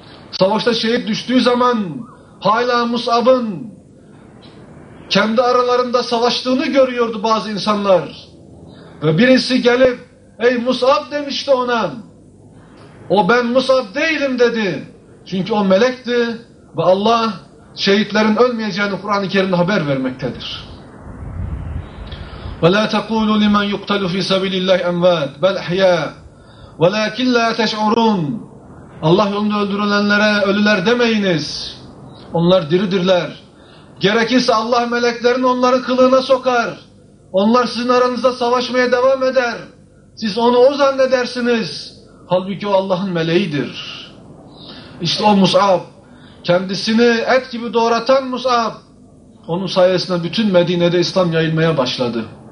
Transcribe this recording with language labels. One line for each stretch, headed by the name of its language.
Turkish: savaşta şehit düştüğü zaman hala Mus'ab'ın kendi aralarında savaştığını görüyordu bazı insanlar. Ve birisi gelip, ey Mus'ab demişti ona. O ben Mus'ab değilim dedi. Çünkü o melekti ve Allah şehitlerin ölmeyeceğini Kur'an-ı Kerim'de haber vermektedir.
Arabic: وَلَا تَقُولُوا لِمَنْ يُقْتَلُوا فِي سَبِيلِ اللّٰهِ اَمْوَاتِ بَلْ اَحْيَا وَلَاكِنْ لَا تَشْعُرُونَ
Turkish: Allah yolunda öldürülenlere ölüler demeyiniz. Onlar diridirler. Gerekirse Allah meleklerini onların kılığına sokar. Onlar sizin aranızda savaşmaya devam eder. Siz onu o zannedersiniz. Halbuki o Allah'ın meleğidir. İşte o Mus'ab. Kendisini et gibi doğratan Mus'ab. Onun sayesinde bütün Medine'de İslam yayılmaya başladı.